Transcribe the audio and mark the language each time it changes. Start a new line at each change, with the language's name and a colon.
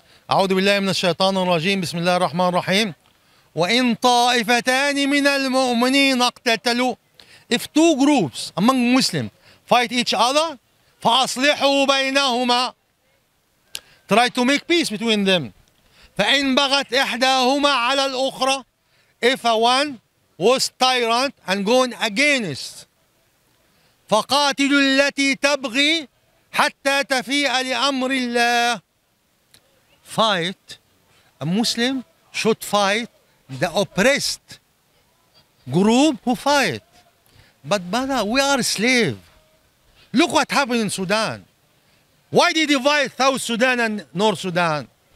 Arabic: أعوذ بالله من الشيطان الرجيم بسم الله الرحمن الرحيم وإن طائفتان من المؤمنين اقتتلوا.
English: If two groups among Muslims fight each other,
Arabic: فأصلحوا بينهما.
English: Try to make peace between them.
Arabic: فإن بغت إحداهما على الأخرى.
English: If a one was tyrant and going against.
Arabic: فقاتلوا التي تبغي حتى تفيء لأمر الله.
English: Fight, a Muslim should fight the oppressed group who fight. But brother, we are slave. Look what happened in Sudan. Why did they divide South Sudan and North Sudan?